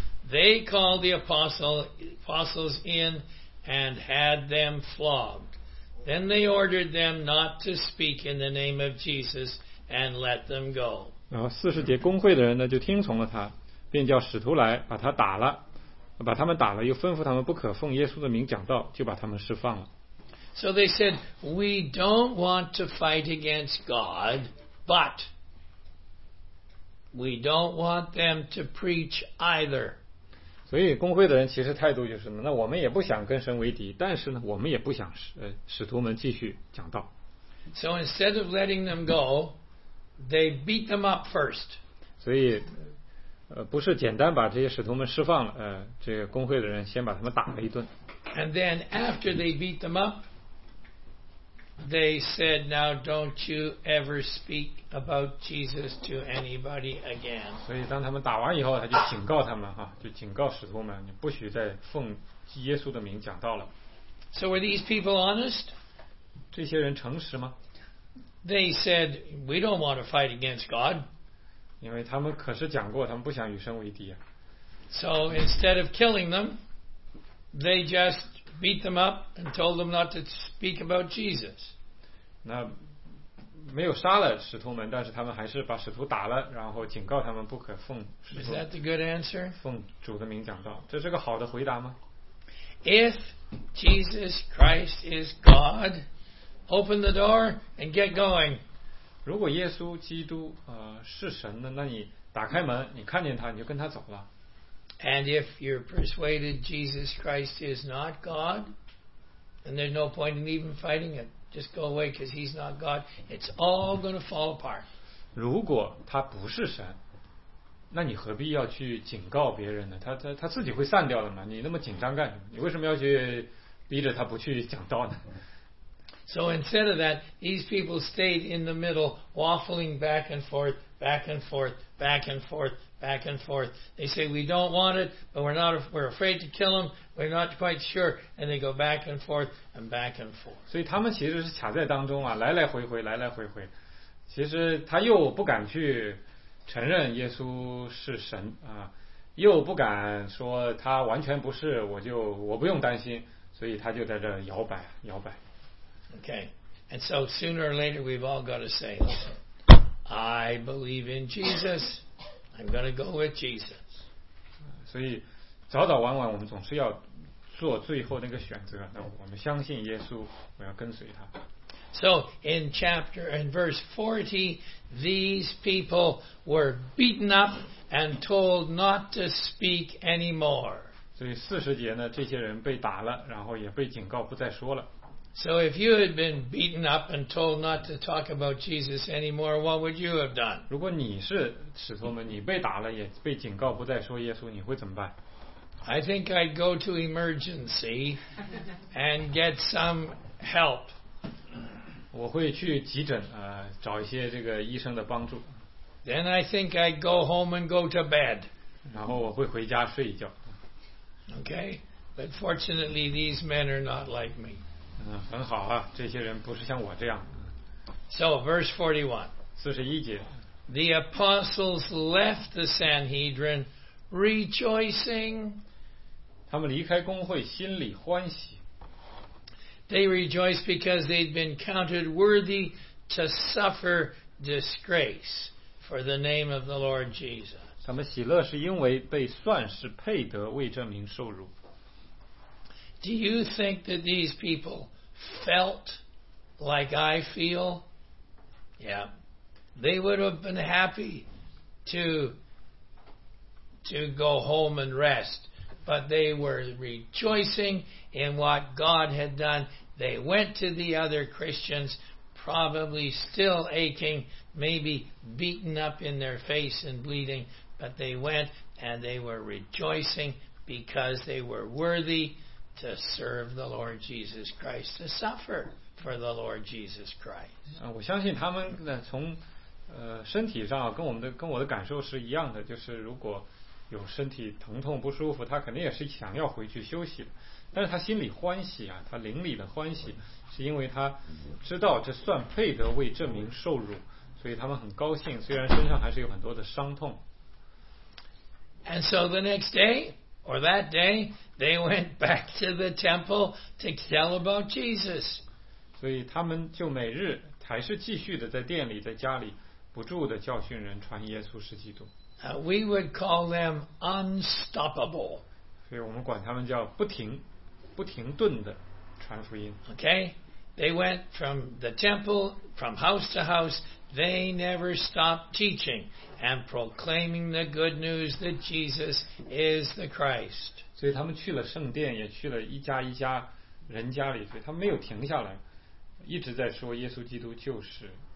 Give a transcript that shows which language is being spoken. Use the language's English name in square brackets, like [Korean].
[English] They called the apostles in and had them flogged. Then they ordered them not to speak in the name of Jesus and let them go. [Chinese] 然后四十节，公会的人呢就听从了他，便叫使徒来把他打了。把他们打了，又吩咐他们不可奉耶稣的名讲道，就把他们释放了。 [English] So they said, "We don't want to fight against God, but we don't want them to preach either." [Chinese] 所以公会的人其实态度就是，那我们也不想跟神为敌，但是呢，我们也不想使徒们继续讲道。 [English] So instead of letting them go, they beat them up first. [Chinese] 所以不是简单把这些使徒们释放了，这个公会的人先把他们打了一顿。 [English] And then after they beat them up, they said, "Now don't you ever speak about Jesus to anybody again." [Chinese] 所以当他们打完以后，他就警告他们哈、啊，就警告使徒们，你不许再奉耶稣的名讲道了。 [English] So were these people honest? [Chinese] 这些人诚实吗 [English] ？They said, "We don't want to fight against God." [Chinese] 因为他们可是讲过，他们不想与神为敌啊。 [English] So instead of killing them, they just beat them up and told them not to speak about Jesus. [Chinese] 那没有杀了使徒们，但是他们还是把使徒打了，然后警告他们不可奉使徒。 [English] Is that the good answer? [Chinese] 奉主的名讲道，这是个好的回答吗 [English] ？If Jesus Christ is God, open the door and get going. [Chinese] 如果耶稣基督是神呢，那你打开门，你看见他，你就跟他走了。 [English] And if you're persuaded Jesus Christ is not God, then there's no point in even fighting it. Just go away because he's not God. It's all going to fall apart. [Chinese] 如果他不是神，那你何必要去警告别人呢？他自己会散掉的嘛。你那么紧张干什么？你为什么要去逼着他不去讲道呢？ [English] So instead of that, these people stayed in the middle, waffling back and forth, back and forth, back and forth. Back and forth. They say we don't want it, but we're afraid to kill him. We're not quite sure, and they go back and forth and back and forth. [Chinese] 所以他们其实是卡在当中啊，来来回回，来来回回。其实他又不敢去承认耶稣是神啊，又不敢说他完全不是，我不用担心。所以他就在这摇摆，摇摆。 [English] Okay, and so sooner or later we've all got to say, "I believe in Jesus." I'm going to go with Jesus. [Chinese] 所以早早晚晚我们总是要做最后那个选择，那我们相信耶稣，我要跟随他。 [English] So in verse 40, these people were beaten up and told not to speak anymore. [Chinese] 所以四十节呢，这些人被打了，然后也被警告不再说了。 [English] So if you had been beaten up and told not to talk about Jesus anymore, what would you have done? [Chinese] 如果你是使徒们，你被打了也被警告不再说耶稣，你会怎么办 [English] ？I think I'd go to emergency and get some help. [Chinese] 我会去急诊啊、找一些这个医生的帮助。 [English] Then I think I'd go home and go to bed. [Chinese] 然后我会回家睡一觉。 [English] Okay, but fortunately these men are not like me. [Chinese] 很好啊，这些人不是像我这样。 [English] So verse 41. [Chinese] 四十一节。 [English] The apostles left the Sanhedrin rejoicing. [Chinese] 他们离开公会，心里欢喜。 [English] They rejoiced because they'd been counted worthy to suffer disgrace for the name of the Lord Jesus. [Chinese] 他们喜乐是因为被算是配得为这名受辱。 [English] Do you think that these people felt like I feel? Yeah. They would have been happy to go home and rest, but they were rejoicing in what God had done. They went to the other Christians, probably still aching, maybe beaten up in their face and bleeding, but they went and they were rejoicing because they were worthy to serve the Lord Jesus Christ, to suffer for the Lord Jesus Christ. [Chinese] 我相信他们从身体上跟我的感受是一样的，就是如果有身体疼痛不舒服，他肯定也是想要回去休息的，但是他心里欢喜啊，他灵里的欢喜是因为他知道这算配得为这名受辱，所以他们很高兴，虽然身上还是有很多的伤痛。 [English] And so the next day or that day they went back to the temple to tell about Jesus. [Chinese] 所以他们就每日还是继续的在殿里在家里不住的教训人传耶稣是基督。 [English] We would call them unstoppable. [Chinese] 所以我们管他们叫不停顿的传福音。 [English] Okay, they went from the temple, from house to house. They never stopped teaching and proclaiming the good news that Jesus is the Christ. [Chinese] 所以他们去了圣殿，也去了一家一家人家里，所以他们没有停下来，一直在说耶稣基督就是。